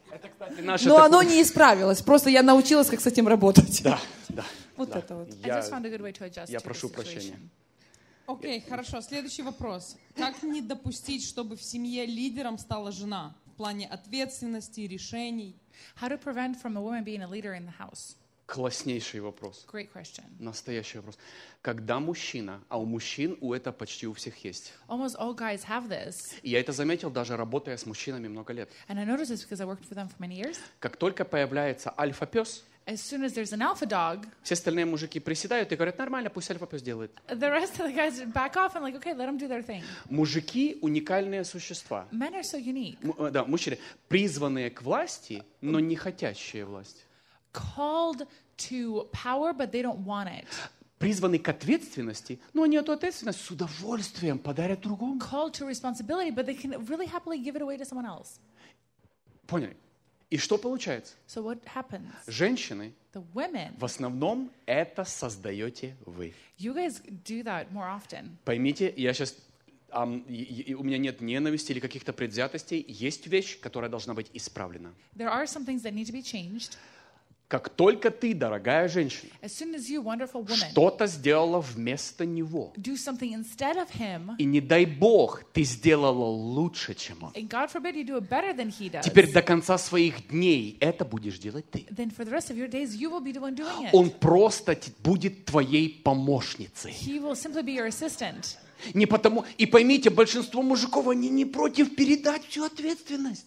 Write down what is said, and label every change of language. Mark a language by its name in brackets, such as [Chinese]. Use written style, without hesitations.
[Russian] Это, кстати, наше... Но оно не исправилось, просто я научилась, как с этим работать. Да, да. Вот да. Это вот. Я прошу прощения. Окей, хорошо. Следующий вопрос. Как не допустить, чтобы в семье лидером стала жена в плане ответственности и решений? [English] How to prevent from a woman being a leader in the house? [Russian] Класснейший вопрос. [English] Great question. [Russian] Настоящий вопрос. Когда мужчина, а у мужчин у это почти у всех есть. [English] Almost all guys have this. [Russian] Я это заметил, даже работая с мужчинами много лет. [English] And I noticed this because I worked with them for many years. [Russian] Как только появляется альфа-пес, [English] as soon as there's an alpha dog, [Russian] все остальные мужики приседают и говорят, нормально, пусть альфа-пес делает. [English] The rest of the guys back off and like, okay, let them do their thing. [Russian] Мужики уникальные существа. [English] Men are so unique. [Russian] Да, мужчины, призванные к власти, но не хотящие власть. [English] Called to power, but they don't want it. [Russian] Призваны к ответственности, но они эту ответственность с удовольствием подарят другому. [English] Called to responsibility, but they can really happily give it away to someone else. [Russian] Поняли? И что получается? [English] So what happens? [Russian] Женщины, [English] the women, [Russian] в основном это создаете вы. [English] You guys do that more often. [Russian] Поймите, я сейчас у меня нет ненависти или каких-то предвзятостей. Есть вещь, которая должна быть исправлена. [English] There are some things that need to be changed. [Russian] Как только ты, дорогая женщина, [English] as soon as you, wonderful woman, [Russian] что-то сделала вместо него, [English] do something instead of him, [Russian] и не дай бог, ты сделала лучше, чем он, [English] and God forbid you do it better than he does, [Russian] теперь до конца своих дней это будешь делать ты. [English] Then for the rest of your days you will be the one doing it. [Russian] Он просто будет твоей помощницей. [English] He will simply be your assistant. [Russian] Не потому, и поймите, большинство мужиков, они не против передать всю ответственность.